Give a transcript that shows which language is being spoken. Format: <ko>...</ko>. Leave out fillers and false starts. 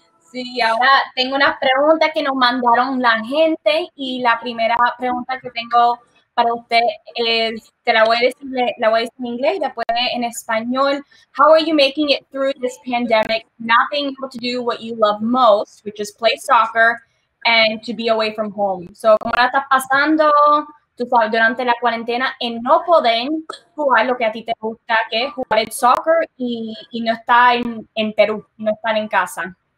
<es>Sí, ahora tengo una pregunta que nos mandaron la gente y la primera pregunta que tengo para usted es, te la voy a decir, la voy a decir en inglés y después en español.</es> <en>How are you making it through this pandemic, not being able to do what you love most, which is play soccer and to be away from home?</en> <es>So, ¿cómo la estás pasando, tú sabes, durante la cuarentena en no poder jugar lo que a ti te gusta, que es jugar el soccer y no estar en Perú, no estar en casa?</es>